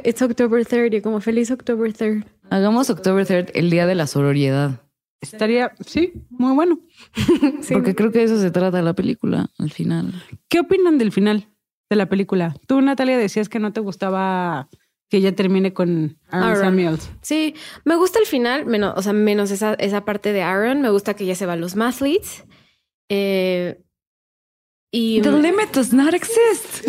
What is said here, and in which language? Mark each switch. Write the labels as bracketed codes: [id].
[en] It's October 3rd [es] y como feliz [en] October 3rd. [es] Hagamos October 3rd el día de la sororiedad. Estaría, sí, muy bueno. Sí. Porque creo que eso se trata la película al final. ¿Qué opinan del final de la película? Tú, Natalia, decías que no te gustaba que ya termine con Aaron Samuels. Sí, me gusta el final, menos esa parte de Aaron. Me gusta que ya se va a los Mathletes. [en] The limit does not exist.